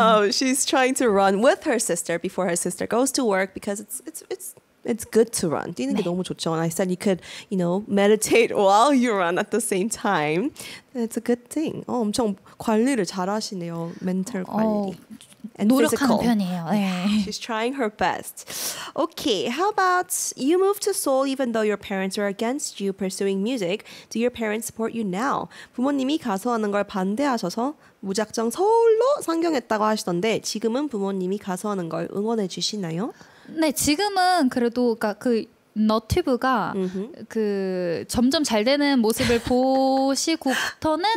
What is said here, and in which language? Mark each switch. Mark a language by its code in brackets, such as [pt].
[en] She's trying to run with her sister before her sister goes to work because it's good to run. [ko] 뛰는 게 네. 너무 좋죠. [en] And I said you could, you know, meditate while you run at the same time. It's a good thing. [ko] 엄청 관리를 잘하시네요. 멘탈 관리. 노력하는 편이에요. 네. [en] She's trying her best. Okay, how about you move to Seoul even though your parents are against you pursuing music? Do your parents support you now? [ko] 부모님이 가수 하는 걸 반대하셔서 무작정 서울로 상경했다고 하시던데 지금은 부모님이 가수 하는 걸 응원해 주시나요? 네, 지금은 그래도 그러니까 그 너튜브가 mm-hmm. 그 점점 잘 되는 모습을 보시고부터는